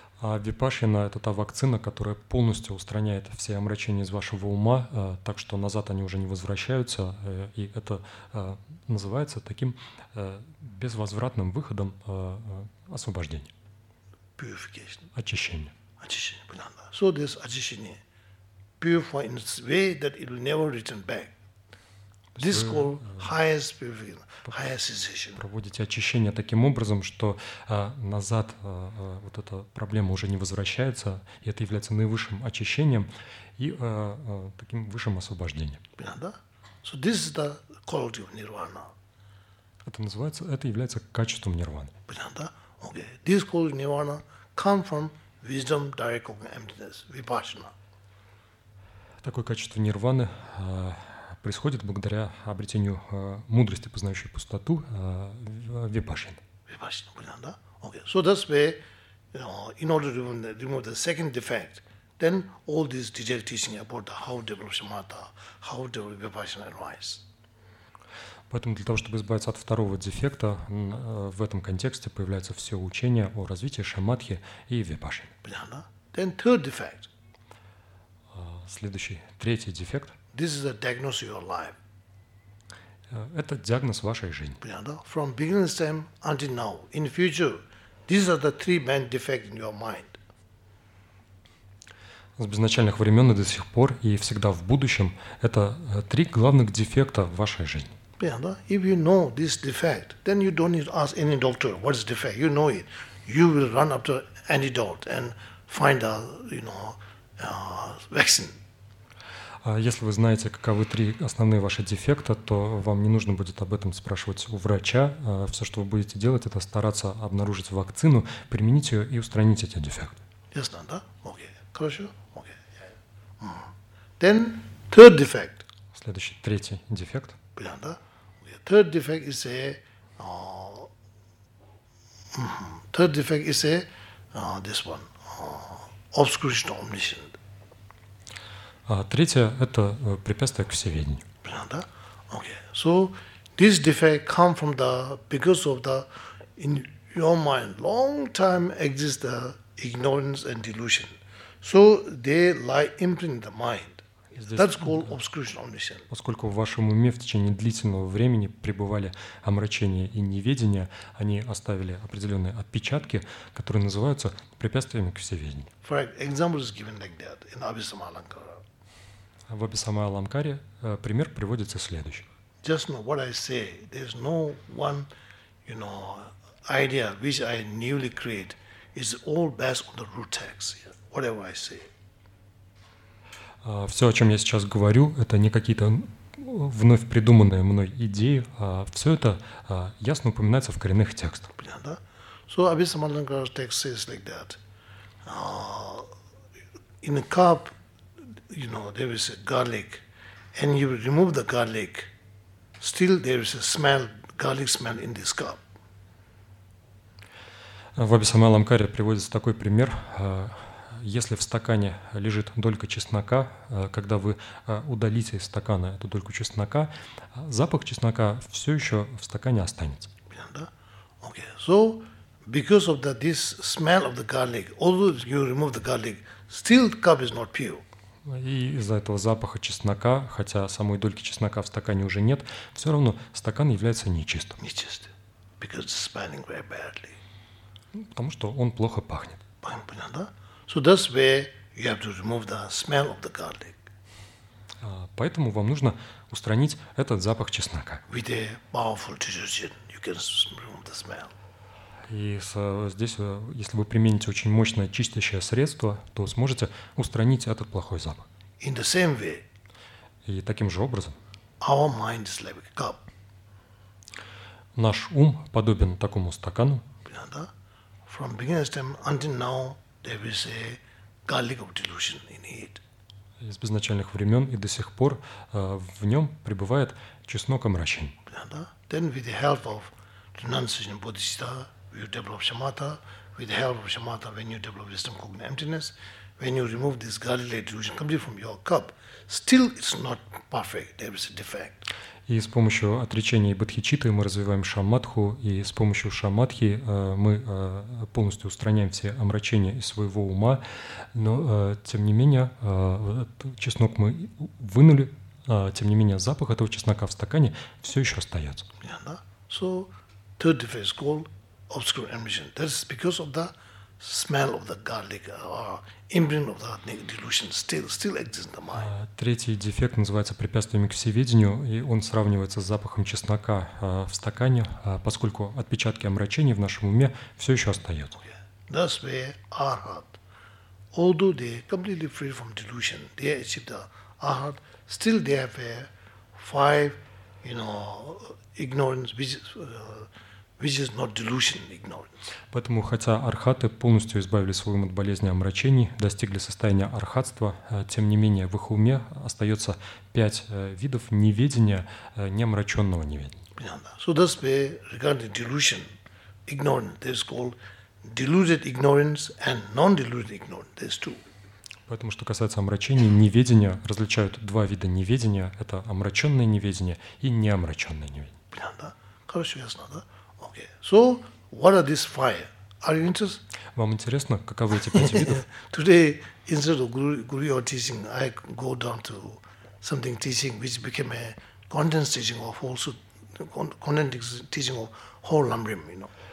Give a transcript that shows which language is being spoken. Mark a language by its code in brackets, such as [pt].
[ru] А випассана — это та вакцина, которая полностью устраняет все омрачения из вашего ума, так что назад они уже не возвращаются, и это называется таким безвозвратным выходом освобождения. [en] Purification. [ru] Очищение. Очищение, понятно. [en] So this очищение purify in its way that it will never return back. This is called highest purification, highest cessation. [ru] Проводите очищение таким образом, что назад вот эта проблема уже не возвращается, и это является наивысшим очищением и таким высшим освобождением. Понятно? [en] So this is the quality of nirvana. [ru] Это называется, это является качеством нирваны. [en] Понятно? Okay. This quality of nirvana comes from wisdom, direct cognition, emptiness, vipassana. [ru] Такое качество нирваны происходит благодаря обретению мудрости, познающей пустоту, випассана. Випассана, понятно, да? Okay. [en] So that's where, in order to remove the second defect, then all these detailed teaching about how develop shamatha, how develop vipassana arise. [ru] Поэтому для того, чтобы избавиться от второго дефекта, в этом контексте появляется все учение о развитии шамадхи и випассаны. Понятно, да? [en] Then third defect. [ru] Следующий, третий дефект. [en] This is a diagnosis of your life. [ru] Это диагноз вашей жизни. Понятно? [en] From beginning time until now, in future, these are the three main defects in your mind. [ru] С безначальных времен и до сих пор и всегда в будущем это три главных дефекта в вашей жизни. Понятно? [en] If you know this defect, then you don't need to ask any doctor what is defect. You know it. You will run up to antidote and find a, you know, vaccine. [ru] Если вы знаете, каковы три основные ваши дефекта, то вам не нужно будет об этом спрашивать у врача. Все, что вы будете делать, это стараться обнаружить вакцину, применить ее и устранить эти дефекты. Ясно, да? Окей. Хорошо? Окей. [en] Then, third defect. [ru] Следующий, третий дефект. Понятно, да? [en] Third defect is a... third defect is a... this one. Obscuration of omniscience. [ru] А третье – это препятствие к всеведению. Понятно, да? Okay. [en] So, this defect comes from the, because of the, in your mind, long time exists the ignorance and delusion. So, they lie imprint in the mind. That's called obscuration of omniscience. [ru] Поскольку в вашем уме в течение длительного времени пребывали омрачение и неведение, они оставили определенные отпечатки, которые называются препятствиями к всеведению. [en] For example, is given like that in Abhisamalankara. [ru] В Абхисамая Аламкаре пример приводится следующим. [en] Just know what I say. There's no one, you know, idea which I newly create. It's all based on the root text. Whatever I say. [ru] Все, о чем я сейчас говорю, это не какие-то вновь придуманные мной идеи. Все это ясно упоминается в коренных текстах. Понятно, да? [en] So Абхисамая Аламкара text says like that. In a cup, you know, there is a garlic, and you remove the garlic, still there is a smell, garlic smell in this cup. [ru] В Абхисамая Аламкаре приводится такой пример. Если в стакане лежит долька чеснока, когда вы удалите из стакана эту дольку чеснока, запах чеснока все еще в стакане останется. Да? Okay. [en] So, because of that, this smell of the garlic, although you remove the garlic, still the cup is not pure. [ru] И из-за этого запаха чеснока, хотя самой дольки чеснока в стакане уже нет, все равно стакан является нечистым. Нечистым. [en] Because it's smelling very badly. [ru] Потому что он плохо пахнет. Понятно, да? [en] So that's where you have to remove the smell of the garlic. [ru] Поэтому вам нужно устранить этот запах чеснока. [en] With a powerful detergent, you can remove the smell. [ru] И здесь, если вы примените очень мощное чистящее средство, то сможете устранить этот плохой запах. [en] In the same way, [ru] и таким же образом [en] our mind is like a cup. [ru] Наш ум подобен такому стакану. [en] From beginning of time until now, there is a garlic of delusion in it. [ru] Из безначальных времен и до сих пор в нем пребывает чеснок омрачений. [en] Then with the help of renunciation bodhisattva, you develop shamatha. With the help of shamatha, when you develop wisdom, cognitive emptiness, when you remove this garlic delusion completely from your cup, still it's not perfect. There is a defect. [ru] И с помощью отречения и бодхичитты мы развиваем шамадху, и с помощью шамадхи мы полностью устраняем все омрачения из своего ума. Но тем не менее чеснок мы вынули, тем не менее запах этого чеснока в стакане все еще остается. [en] Yeah, no? So third defect is called obscure emission. That is because of the smell of the garlic or imprint of that delusion still exists in the mind. [ru] Третий дефект называется препятствием к всеведению, и он сравнивается с запахом чеснока в стакане, поскольку отпечатки омрачений в нашем уме все еще остаются. [en] Yeah. That's where arhat, although they completely free from delusion, they achieve the arhat, still they have a five, you know, ignorance, which is not delusion, ignorance. [ru] Поэтому, хотя архаты полностью избавили свой ум от болезни омрачений, достигли состояния архатства, тем не менее в их уме остается пять видов неведения, неомраченного неведения. [en] So that's why regarding delusion, ignorance, there's called deluded ignorance and non-deluded ignorance, there's two. [ru] Поэтому, что касается омрачений, неведения, различают два вида неведения, это омраченное неведение и неомраченное неведение. Да, хорошо, ясно, да? [en] Okay. So, what are these five? Are you interested? [ru] Вам интересно, каковы эти пять видов? [en] Today, instead of guru or teaching, I go down to something teaching, which became a condensed teaching of also whole Lambrim, you know.